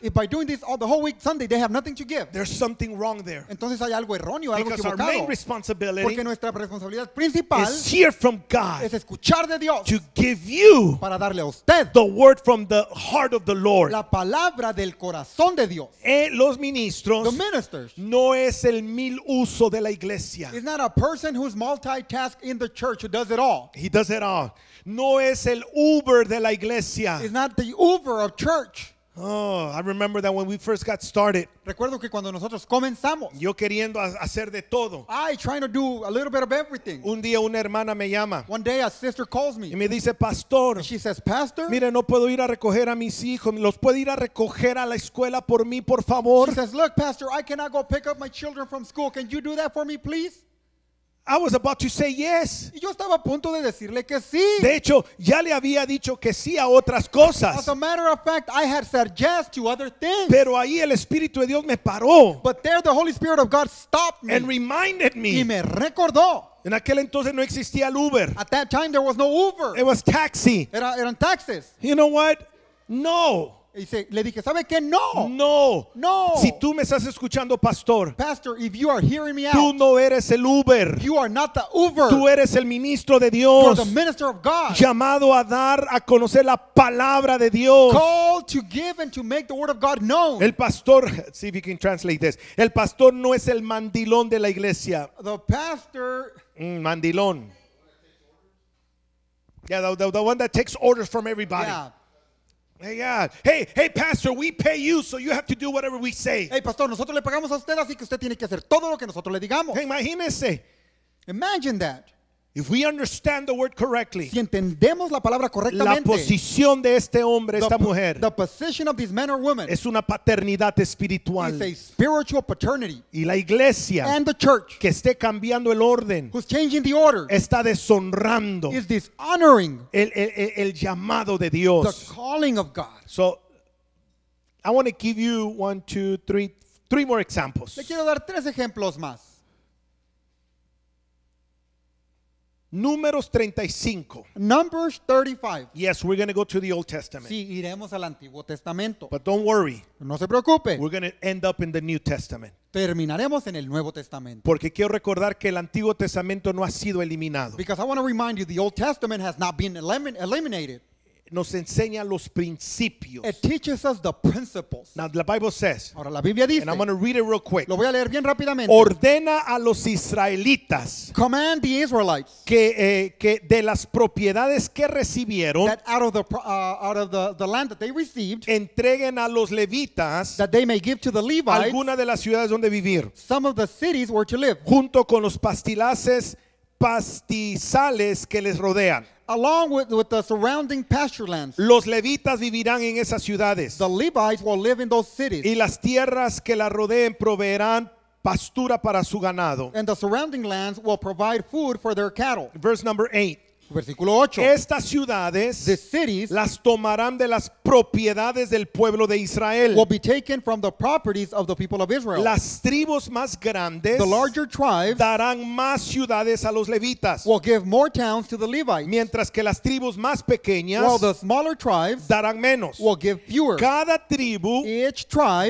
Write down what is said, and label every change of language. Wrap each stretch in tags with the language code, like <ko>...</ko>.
<en>if by doing this all the whole week Sunday they have nothing to give, there's something wrong there.</en> <es>Entonces hay algo erróneo, algo</es> <en>because</en> <es>equivocado.</es> <en>Our main responsibility,</en> <es>porque nuestra responsabilidad principal,</es> <en>is hear from God,</en> <es>es escuchar de Dios,</es> <en>to give you,</en> <es>para darle a usted,</es> <en>the word from the heart of the Lord,</en> <es>la palabra del corazón de Dios. Los ministros,</es> <en>the ministers,</en> <es>no es el mil uso de la iglesia,</es> <en>it's not a person who's multitask in the church who does it all. He does it all.</en> <es>No es el Uber de la iglesia.</es> <en>It's not the Uber of church. Oh, I remember that when we first got started.</en> <es>Recuerdo que cuando nosotros comenzamos. Yo queriendo hacer de todo.</es> <en>I trying to do a little bit of everything.</en> <es>Un día una hermana me llama.</es> <en>One day a sister calls me.</en> <es>Y me dice, pastor.</es> <en>And she says, pastor.</en> <es>Mire, no puedo ir a recoger a mis hijos. ¿Los puede ir a recoger a la escuela por mí, por favor?</es> <en>She says, look, pastor, I cannot go pick up my children from school. Can you do that for me, please? I was about to say yes.</en> <es>Yo estaba a punto de decirle que sí. De hecho, ya le había dicho que sí a otras cosas.</es> <en>As a matter of fact, I had said yes to other things.</en> <es>Pero ahí el Espíritu de Dios me paró.</es> <en>But there the Holy Spirit of God stopped me. And reminded me.</en> <es>Y me recordó. En aquel entonces no existía el Uber.</es> <en>At that time there was no Uber. It was taxi.</en> <es>Eran taxis.</es> <en>You know what? No.</en> <es>Y le dije, ¿sabe qué? No. No. No. Si tú me estás escuchando, pastor.</es> <en>Pastor, if you are hearing me out.</en> <es>Tú no eres el Uber.</es> <en>You are not the Uber.</en> <es>Tú eres el ministro de Dios.</es> <en>You are the minister of God.</en> <es>Llamado a dar a conocer la palabra de Dios.</es> <en>Called to give and to make the word of God known.</en> <es>El pastor,</es> <en>see if you can translate this.</en> <es>El pastor no es el mandilón de la iglesia.</es> <en>The pastor.</en> <es>Mandilón.</es> <en>Yeah, the one that takes orders from everybody. Yeah. Hey, God. Hey, pastor, we pay you, so you have to do whatever we say.</en> <es>Hey, pastor, nosotros le pagamos a usted, así que usted tiene que hacer todo lo que nosotros le digamos. Imagínese.</es> <en>Imagine that. If we understand the word correctly,</en> <es>si entendemos la palabra correctamente, la posición de este hombre, esta mujer,</es> <en>the position of these men or women,</en> <es>es una paternidad espiritual.</es> <en>It's a spiritual paternity.</en> <es>Y la iglesia,</es> <en>and the church,</en> <es>que esté cambiando el orden,</es> <en>who's changing the order,</en> <es>está deshonrando,</es> <en>is dishonoring,</en> <es>el llamado de Dios,</es> <en>the calling of God. So, I want to give you one, two, three more examples.</en> <es>Le quiero dar tres ejemplos más. Números 35.</es> <en>Numbers 35. Yes, we're going to go to the Old Testament.</en> <es>Sí, iremos al Antiguo Testamento.</es> <en>But don't worry.</en> <es>No se preocupe.</es> <en>We're going to end up in the New Testament.</en> <es>Terminaremos en el Nuevo Testamento. Porque quiero recordar que el Antiguo Testamento no ha sido eliminado.</es> <en>Because I want to remind you the Old Testament has not been eliminated.</en> <es>Nos enseña los principios.</es> <en>It teaches us the principles. Now the Bible says.</en> <es>Ahora la Biblia dice.</es> <en>And I'm going to read it real quick.</en> <es>Lo voy a leer bien rápidamente. Ordena a los israelitas.</es> <en>Command the Israelites.</en> <es>Que de las propiedades que recibieron.</es> <en>That out of the land that they received.</en> <es>Entreguen a los levitas.</es> <en>That they may give to the Levites.</en> <es>Alguna de las ciudades donde vivir.</es> <en>Some of the cities where to live.</en> <es>Junto con los pastizales que les rodean.</es> <en>Along with the surrounding pasture lands.</en> <es>Los levitas vivirán en esas ciudades.</es> <en>The Levites will live in those cities.</en> <es>Y las tierras que la rodeen proveerán pastura para su ganado.</es> <en>And the surrounding lands will provide food for their cattle. Verse number 8.</en> <es>Versículo 8. Estas ciudades,</es> <en>the cities,</en> <es>las tomarán de las propiedades del pueblo de Israel.</es> <en>Will be taken from the properties of the people of Israel.</en> <es>Las tribus más grandes,</es> <en>the larger tribes,</en> <es>darán más ciudades a los levitas.</es> <en>Will give more towns to the Levites.</en> <es>Mientras que las tribus más pequeñas,</es> <en>while the smaller tribes,</en> <es>darán menos.</es> <en>Will give fewer.</en> <es>Cada tribu,</es> <en>each tribe,</en>